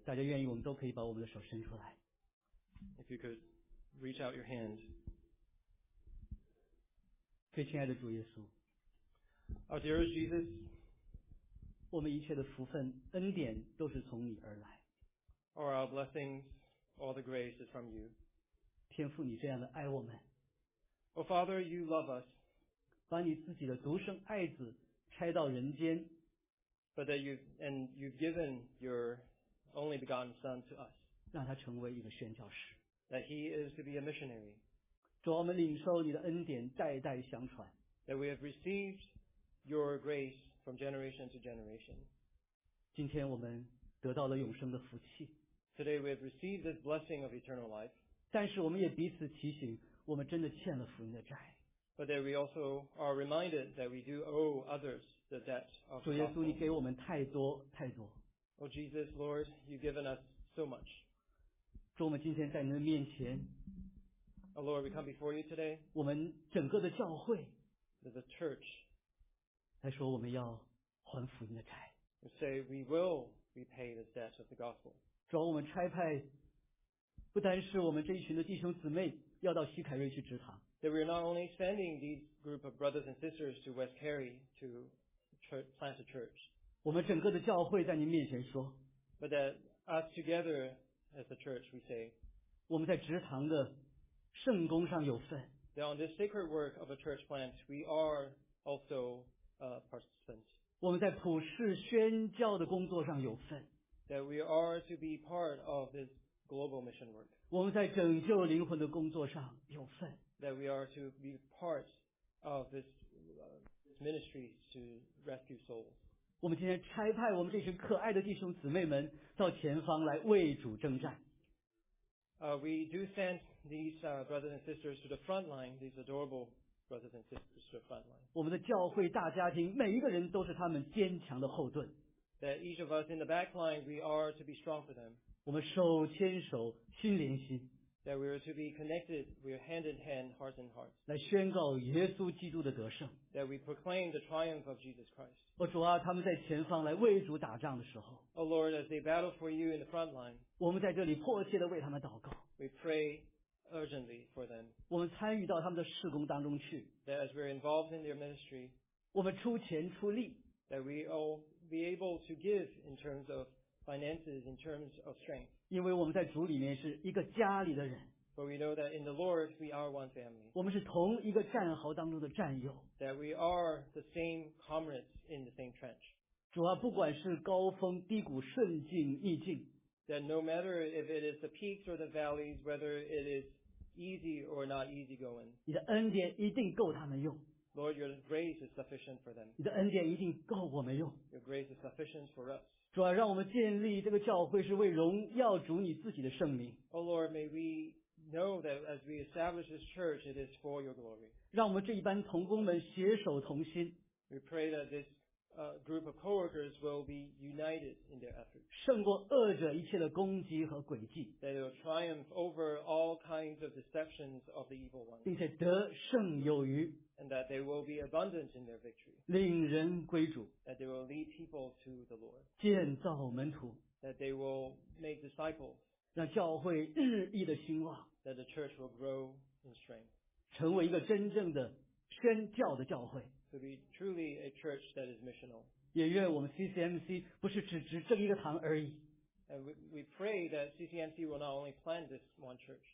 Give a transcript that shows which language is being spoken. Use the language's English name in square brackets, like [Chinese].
[Chinese] 大家愿意，我们都可以把我们的手伸出来。 [English] If you could reach out your hand. [Chinese] 最亲爱的主耶稣。 [English] Our dear Jesus. [Chinese] 我们一切的福分、恩典都是从你而来。 [English] All our blessings, all the grace is from you. [Chinese] 天父，你这样的爱我们。 [English] Oh Father, you love us. [Chinese] 把你自己的独生爱子差到人间。 [English] But that you've given your only begotten Son to us. [Chinese] 让他成为一个宣教士。 [English] That he is to be a missionary. [Chinese] 主，我们领受你的恩典，代代相传。 [English] That we have received your grace from generation to generation. [Chinese] 今天我们得到了永生的福气。 [English] Today we have received this blessing of eternal life. [Chinese] 但是我们也彼此提醒，我们真的欠了福音的债。 [English] But that we also are reminded that we do owe others the debt of the gospel. Oh Jesus, Lord, you've given us so much. Lord, we come before you today. The church. We say we will repay the debt of the gospel. [Chinese] 主，我们差派不单是我们这一群的弟兄姊妹要到西凯瑞去执堂。 [English] That we are not only sending these group of brothers and sisters to West Cary to plant a church. [Chinese] 我们整个的教会在您面前说。 [English] But that us together as a church, we say. [Chinese] 我们在执堂的圣工上有份。 [English] That on this sacred work of a church plant, we are also a participant. [Chinese] 我们在普世宣教的工作上有份。 [English] That we are to be part of this global mission work. [Chinese] 我们在拯救灵魂的工作上有份。 [English] That we are to be part of this ministry to rescue souls. [Chinese] 我们今天差派我们这群可爱的弟兄姊妹们到前方来为主征战。 [English] We do send these brothers and sisters to the front line. These adorable brothers and sisters to the front line. [Chinese] 我们的教会大家庭，每一个人都是他们坚强的后盾。 [English] That each of us in the back line, we are to be strong for them. [Chinese] 我们手牵手，心连心。 [English] That we are to be connected, we are hand in hand, heart in heart. [Chinese] 来宣告耶稣基督的得胜。 [English] That we proclaim the triumph of Jesus Christ. [Chinese] 哦主啊，他们在前方来为主打仗的时候。 [English] Oh Lord, as they battle for you in the front line. [Chinese] 我们在这里迫切地为他们祷告。 [English] We pray urgently for them. [Chinese] 我们参与到他们的事工当中去。 [English] That as we are involved in their ministry. [Chinese] 我们出钱出力。 [English] That we all be able to give in terms of finances, in terms of strength. [Chinese] 因为我们在主里面是一个家里的人。 [English] But we know that in the Lord we are one family. [Chinese] 我们是同一个战壕当中的战友。 [English] That we are the same comrades in the same trench. [Chinese] 主啊，不管是高峰低谷、顺境逆境。 [English] That no matter if it is the peaks or the valleys, whether it is easy or not easy going. [Chinese] 你的恩典一定够他们用。 [English] Lord, your grace is sufficient for them. [Chinese] 你的恩典一定够我们用。 [English] Your grace is sufficient for us. [Chinese] 主啊，让我们建立这个教会是为荣耀主你自己的圣名。 [English] Oh Lord, may we know that as we establish this church, it is for your glory. [Chinese] 让我们这一班同工们携手同心。 [English] We pray that this group of co-workers will be united in their efforts. [Chinese] 胜过恶者一切的攻击和诡计。 [English] That it will triumph over all kinds of deceptions of the evil one. [Chinese] 并且得胜有余。 [English] And that they will be abundant in their victory. [Chinese] 领人归主。 [English] That they will lead people to the Lord. [Chinese] 建造门徒。 [English] That they will make disciples. [Chinese] 让教会日益的兴旺。 [English] That the church will grow in strength. [Chinese] 成为一个真正的宣教的教会。 [English] To be truly a church that is missional. [Chinese] 也愿我们 CCMC 不是只执政一个堂而已。 [English] And we pray that CCMC will not only plan this one church.